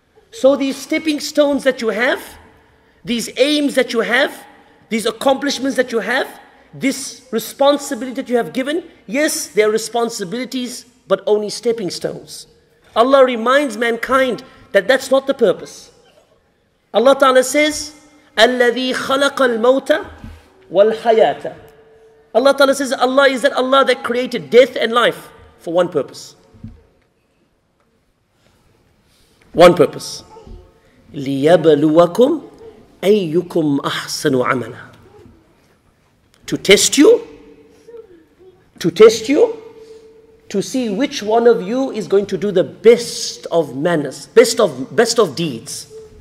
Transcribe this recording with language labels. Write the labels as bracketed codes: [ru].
[en] So these stepping stones that you have, these aims that you have, these accomplishments that you have, this responsibility that you have given, yes, they are responsibilities, but only stepping stones. Allah reminds mankind that that's not the purpose. [ar] Allah Ta'ala says, الَّذِي خَلَقَ الْمَوْتَ وَالْحَيَاتَ. [en] Allah Ta'ala says, Allah is that Allah that created death and life for one purpose. [ar] One purpose. لِيَبَلُوَكُمْ أَيُّكُمْ أَحْسَنُ عَمَلًا. [en] To test you, to see which one of you is going to do the best of manners, best of deeds.